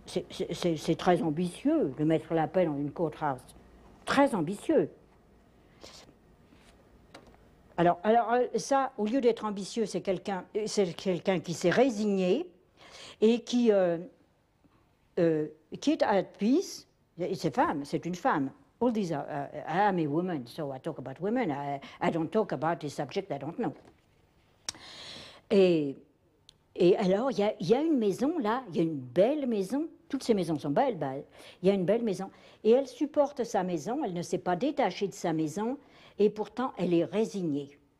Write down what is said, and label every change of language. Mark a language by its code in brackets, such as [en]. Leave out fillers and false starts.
[fr] C'est très ambitieux de mettre la paix dans une courthouse. Très ambitieux. Alors ça, au lieu d'être ambitieux, c'est quelqu'un qui s'est résigné et qui est [en] at peace. [fr] C'est une femme. [en] All these are, I'm a woman, so I talk about women. I don't talk about a subject I don't know. [fr] Et alors, il y a une maison là, il y a une belle maison. Toutes ces maisons sont belles, ben, il y a une belle maison. Et elle supporte sa maison, elle ne s'est pas détachée de sa maison, et pourtant elle est résignée.